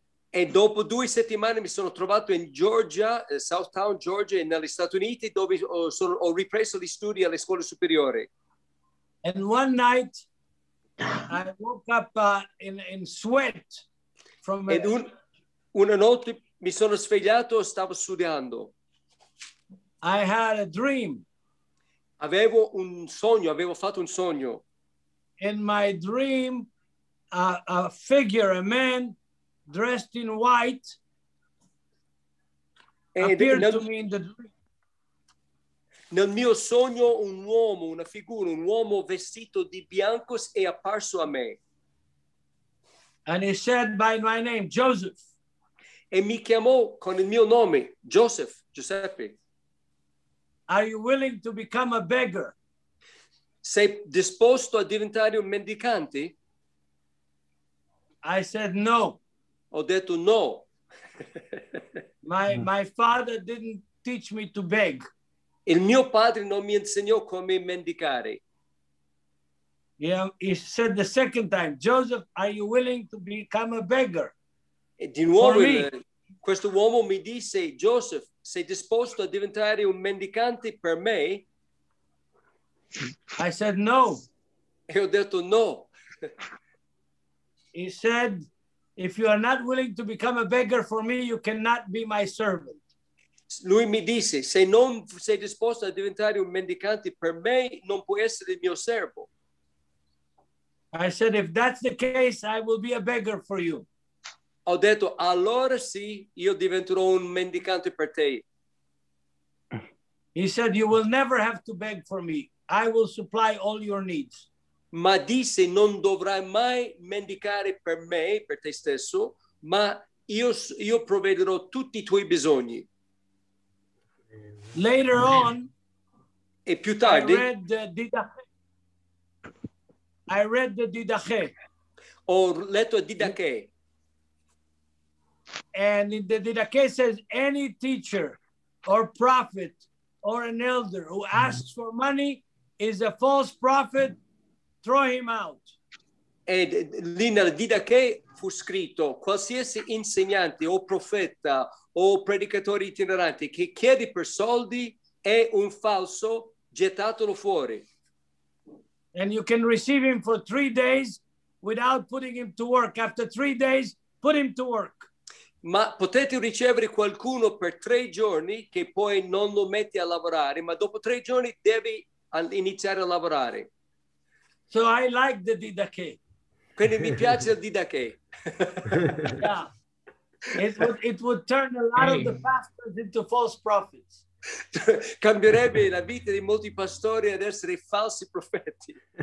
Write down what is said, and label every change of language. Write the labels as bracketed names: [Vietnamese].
[Italian] E dopo 2 settimane mi sono trovato in Georgia, Southtown, Georgia, negli Stati Uniti, dove ho ripreso gli studi alle scuole superiori. [English] And one night I woke up in sweat from a... [Italian] Ed una notte mi sono svegliato, stavo sudando. [English] I had a dream. [Italian] Avevo un sogno, avevo fatto un sogno. [English] In my dream, a figure, a man dressed in white, appeared to me in the dream. [Italian] Nel mio sogno, un uomo, una figura, un uomo vestito di bianco è apparso a me. [English] And he said by my name, Joseph. [Italian] E mi chiamò con il mio nome, Joseph, Giuseppe. [English] Are you willing to become a beggar? [Italian] Sei disposto a diventare un mendicante? [English] I said no. [Italian] Ho detto no. [English] My father didn't teach me to beg. [Italian] Il mio padre non mi insegnò come mendicare. [English] Yeah, he said the second time, Joseph, are you willing to become a beggar? [Italian] E di nuovo [English] for me? [Italian] Questo uomo mi disse, Joseph, sei disposto a diventare un mendicante per me? [English] I said no. [Italian] E ho detto no. [English] He said, if you are not willing to become a beggar for me, you cannot be my servant. [Italian] Lui mi disse, se non sei disposto a diventare un mendicante per me, non puoi essere il mio servo. [English] I said, if that's the case, I will be a beggar for you. [Italian] Ho detto, allora sì, io diventerò un mendicante per te. [English] He said, you will never have to beg for me. I will supply all your needs. [Italian] Ma disse, non dovrai mai mendicare per me, per te stesso, ma io provvederò tutti i tuoi bisogni. [English] Later on, [Italian] e più tardi, [English] I read the Didache. [Italian] Ho letto Didache. [English] And in the Didache says, any teacher or prophet or an elder who asks for money is a false prophet, throw him out. [Italian] E lì nel Didache fu scritto, qualsiasi insegnante o profeta o predicatore itinerante che chiede per soldi è un falso, gettatelo fuori. [English] And you can receive him for 3 days without putting him to work. After 3 days, put him to work. [Italian] Ma potete ricevere qualcuno per 3 giorni che poi non lo mette a lavorare, ma dopo 3 giorni devi iniziare a lavorare. [English] So I like the Didache. [Italian] Quindi mi piace il Didache. [English] Yeah. It would turn a lot of the pastors into false prophets. [Italian] Cambierebbe la vita di molti pastori ad essere falsi profeti.